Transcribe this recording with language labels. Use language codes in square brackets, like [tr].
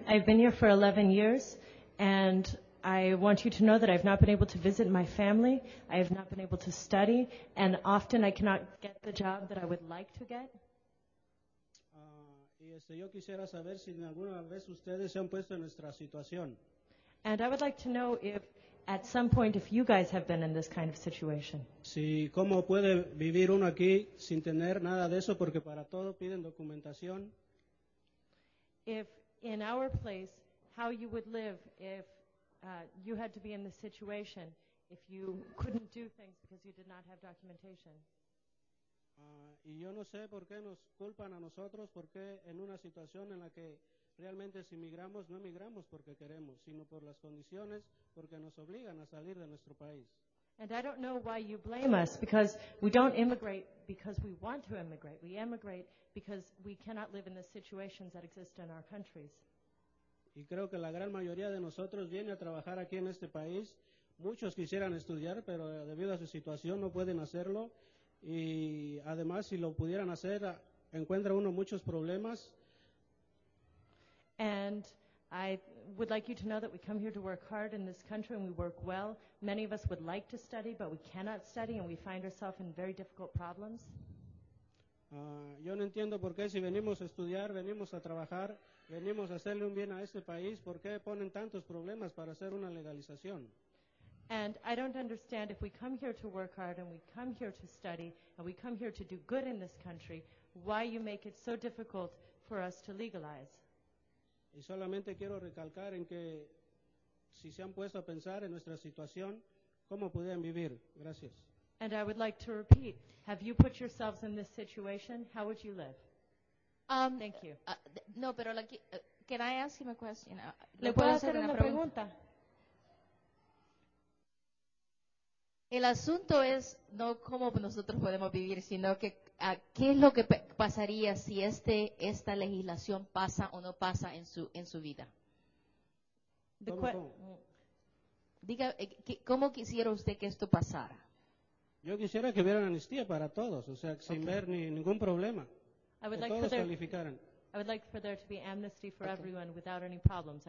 [en] I've been here for 11 years, and I want you to know that I've not been able to visit my family. I have not been able to study, and often I cannot get the job that I would like to get. [es] Yo quisiera saber si alguna vez ustedes se han puesto en nuestra situación. [en] And I would like to know if at some point if you guys have been in this kind of situation. [es] Si, ¿cómo puede vivir uno aquí sin tener nada de eso? Porque para todo piden documentación. [en] If in our place, how you would live if you had to be in this situation, if you couldn't do things because you did not have documentation. [es] Y yo no sé por qué nos culpan a nosotros, porque en una situación en la que realmente si migramos, no migramos porque queremos, sino por las condiciones, porque nos obligan a salir de nuestro país. [en] And I don't know why you blame us, because we don't immigrate because we want to immigrate. We immigrate because we cannot live in the situations that exist in our countries. [es] Y creo que la gran mayoría de nosotros viene a trabajar aquí en este país. Muchos quisieran estudiar, pero debido a su situación no pueden hacerlo. Y además, si lo pudieran hacer, encuentra uno muchos problemas. [en] And I would like you to know that we come here to work hard in this country and we work well. Many of us would like to study, but we cannot study and we find ourselves in very difficult problems. [es] Yo no entiendo por qué si venimos a estudiar, venimos a trabajar, venimos a hacerle un bien a este país, ¿por qué ponen tantos problemas para hacer una legalización? [en] And I don't understand if we come here to work hard and we come here to study and we come here to do good in this country, why you make it so difficult for us to legalize. [es] Y solamente quiero recalcar en que si se han puesto a pensar en nuestra situación, ¿cómo pueden vivir? Gracias. [en] And I would like to repeat, have you put yourselves in this situation? How would you live? Thank you. [es] No, pero [en] can I ask him a question? [es] ¿Le puedo hacer una pregunta? El asunto es no cómo nosotros podemos vivir, sino que qué es lo que pasaría si esta legislación pasa o no pasa en su vida. Diga, ¿cómo quisiera usted que esto pasara? Yo quisiera que hubiera una amnistía para todos, o sea, sin ver ningún problema. [en] I would like for there to be amnesty for everyone without any problems.